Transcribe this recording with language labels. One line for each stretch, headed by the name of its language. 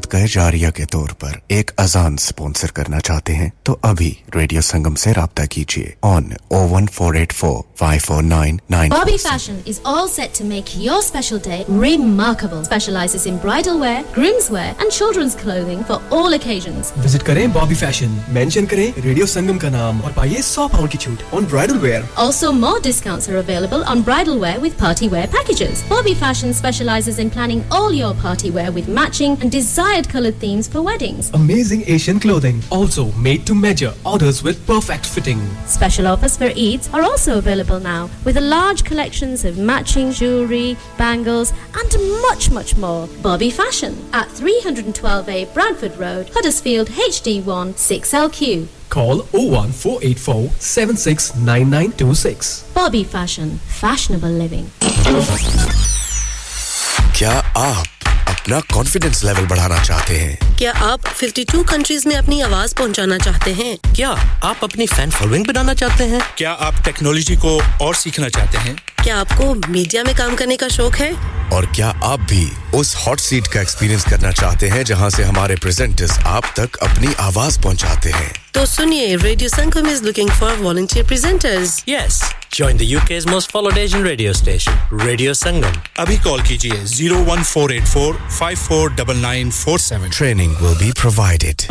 Hindi: जारिया के तौर पर एक अजान स्पॉन्सर करना चाहते हैं तो अभी रेडियो संगम से राब्ता कीजिए on 01484549947.
English: Bobby Fashion is all set to make your special day remarkable. Specializes in bridal wear, grooms wear and children's clothing for all occasions.
Hindi: Visit करें Bobby Fashion. Mention करें रेडियो संगम का नाम और पाइए 100 पाउंड की छूट
English: on bridal wear. Also more discounts are available on bridal wear with party wear packages. Bobby Fashion specializes in planning all your party wear with matching and desired colored themes for weddings. Amazing Asian clothing. Also made to measure. Orders with perfect fitting. Special offers for Eids are also available now with a large collections of matching jewellery, bangles and much, much more. Bobby Fashion at 312A Bradford Road, Huddersfield, HD1 6LQ. Call 01484 769926. Bobby Fashion. Fashionable living.
Hindi: Kya aap अपना confidence level बढ़ाना चाहते हैं? क्या आप 52 countries में अपनी आवाज पहुंचाना चाहते हैं? क्या आप अपनी फैन फॉलोइंग बनाना चाहते हैं? क्या आप टेक्नोलॉजी को और सीखना चाहते हैं? क्या आपको मीडिया में काम करने का शौक है? और क्या आप भी उस हॉट सीट का एक्सपीरियंस करना चाहते हैं जहां से हमारे प्रेजेंटर्स आप तक अपनी आवाज पहुंचाते हैं? तो सुनिए,
English: Radio Sangam is looking for volunteer presenters. Yes, join the UK's most followed Asian radio station, Radio Sangam.
Hindi: Abhi call kijiye 01484549947.
English: Training will be provided.